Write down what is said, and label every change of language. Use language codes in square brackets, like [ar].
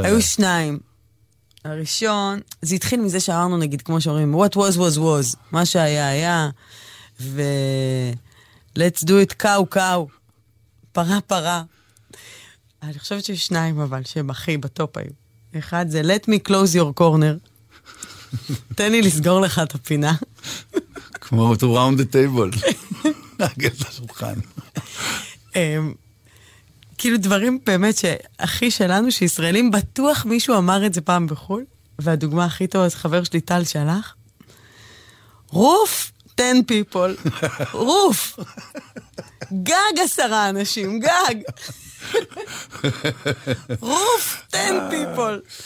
[he] היו שניים. הראשון, זה התחיל מזה שאמרנו, נגיד, כמו שאומרים, [en] what was was was, [he] מה שהיה היה, ו... [en] let's do it, [he] קאו קאו, פרה פרה. אני חושבת שיש שניים, אבל, שהם הכי בטופ היו. אחד זה, [en] let me close your corner. [he] תן לי לסגור לך את הפינה. [en] כמו to round the table. [he] נגד לשולחן. כאילו דברים באמת שהכי שלנו, שישראלים, בטוח מישהו אמר את זה פעם בחול, והדוגמה הכי טובה, אז חבר שלי טל שלח, רוף, [en] 10 people, [he] רוף, גג 10 אנשים, גג, רוף, 10 people.